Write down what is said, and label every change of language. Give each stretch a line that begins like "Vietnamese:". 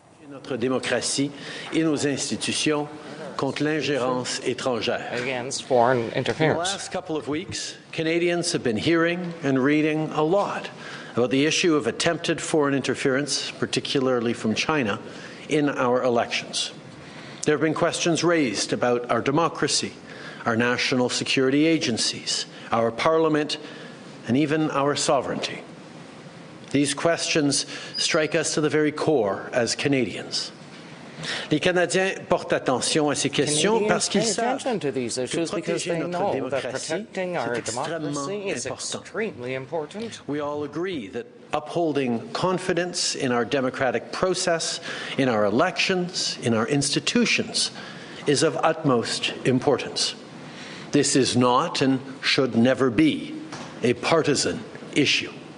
French: Notre démocratie et nos institutions contre l'ingérence étrangère.
English: Against foreign interference. In the last couple of weeks, Canadians have been hearing and reading a lot about the issue of attempted foreign interference, particularly from China, in our elections. There have been questions raised about our democracy, our national security agencies, our parliament, and even our sovereignty. These questions strike us to the very core as Canadians.
French: Les Canadiens portent attention à ces questions parce qu'ils savent que protéger notre démocratie est extrêmement important.
English: We all agree that upholding confidence in our democratic process, in our elections, in our institutions, is of utmost importance. This is not and should never be a partisan issue.